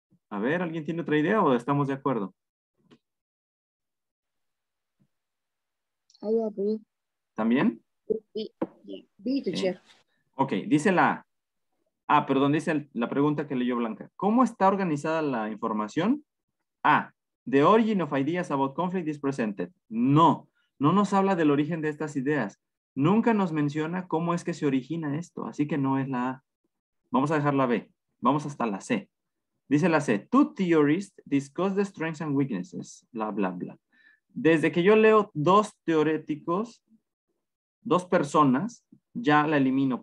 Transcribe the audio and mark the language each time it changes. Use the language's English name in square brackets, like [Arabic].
[Spanish] A ver, ¿alguien tiene otra idea o estamos de acuerdo? [English] I agree. [Spanish] ¿También? [English] B, teacher. [Spanish] Ok, dice la A. Ah, perdón, dice la pregunta que leyó Blanca. ¿Cómo está organizada la información? A. [English] The origin of ideas about conflict is presented. [Spanish] No nos habla del origen de estas ideas. Nunca nos menciona cómo es que se origina esto. Así que no es la A. Vamos a dejar la B. Vamos hasta la C. Dice la C. [English] Two theorists discuss the strengths and weaknesses. Bla, bla, bla. [Spanish] Desde que yo leo dos teóricos, dos personas, ya la elimino.